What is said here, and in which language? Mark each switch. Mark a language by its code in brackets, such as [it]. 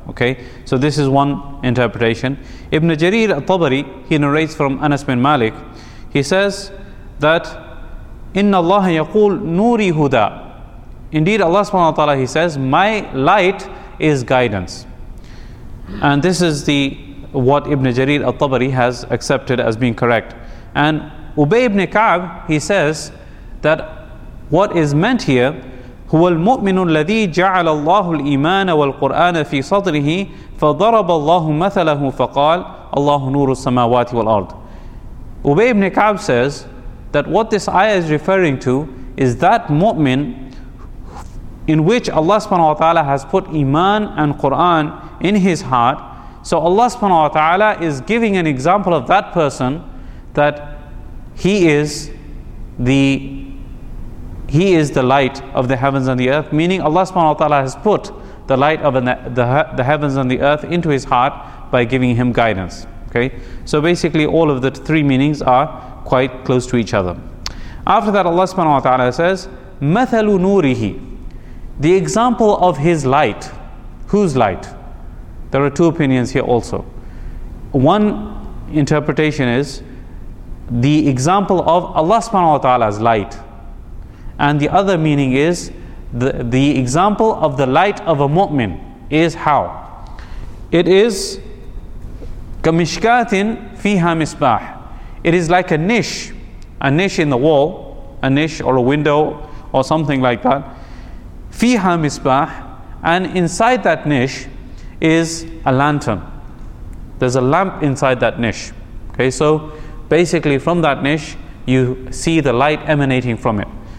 [en] Okay, so this is one interpretation. Ibn Jarir al-Tabari, he narrates from Anas bin Malik, he says that [ar] inna Allah yaqul nuri huda. [en] Indeed, Allah subhanahu wa ta'ala, he says, my light is guidance. And this is the what Ibn Jarir al-Tabari has accepted as being correct. [ar] And Ubay ibn Ka'b, he says that what is meant here, هُوَ الْمُؤْمِنُ الَّذِي جَعَلَ اللَّهُ الْإِيمَانَ وَالْقُرْآنَ فِي صَدْرِهِ فَضَرَبَ اللَّهُ مَثَلَهُ فَقَالَ اللَّهُ نُورُ السَّمَاوَاتِ وَالْأَرْضِ. [en] Ubay ibn Ka'b says that what this ayah is referring to is that mu'min in which Allah subhanahu wa ta'ala has put iman and Qur'an in his heart. So Allah subhanahu wa ta'ala is giving an example of that person, that he is the light of the heavens and the earth, meaning Allah subhanahu wa ta'ala has put the light of the heavens and the earth into his heart by giving him guidance. Okay, so basically all of the three meanings are quite close to each other. After that, Allah subhanahu wa ta'ala says, [ar] مَثَلُ نُورِهِ, [en] the example of his light. Whose light? There are two opinions here also. One interpretation is the example of Allah subhanahu wa ta'ala's light. And the other meaning is the example of the light of a mu'min is how? [ar] It is كَمِشْكَاتٍ فِيهَا مِسْبَاحٍ. [en] It is like a niche in the wall, a niche or a window or something like that. [ar] فِيهَا مِسْبَاحٍ, [en] and inside that niche is a lantern. There's a lamp inside that niche. Okay, so basically from that niche, you see the light emanating from it.